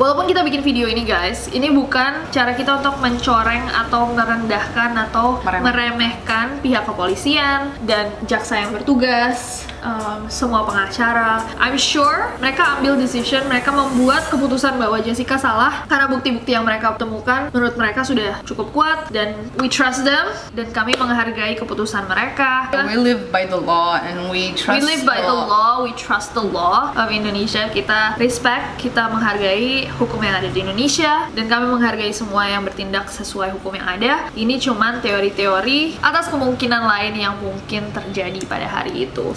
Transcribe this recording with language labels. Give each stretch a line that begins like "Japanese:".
Indonesian: Walaupun kita bikin video ini guys, ini bukan cara kita untuk mencoreng atau merendahkan atau meremehkan pihak kepolisian dan jaksa yang bertugas, semua pengacara.
English: I'm sure
Indonesian: mereka ambil decision, mereka membuat keputusan bahwa Jessica salah karena bukti-bukti yang mereka temukan menurut mereka sudah cukup kuat, dan
English: we trust them,
Indonesian: dan kami menghargai keputusan mereka.
English: We live by the law and we trust. We live by the law, we trust the law of Indonesia.
Indonesian: Kita respect, kita menghargai hukum yang ada di Indonesia, dan kami menghargai semua yang bertindak sesuai hukum yang ada. Ini cuman teori-teori atas kemungkinan lain yang mungkin terjadi pada hari itu.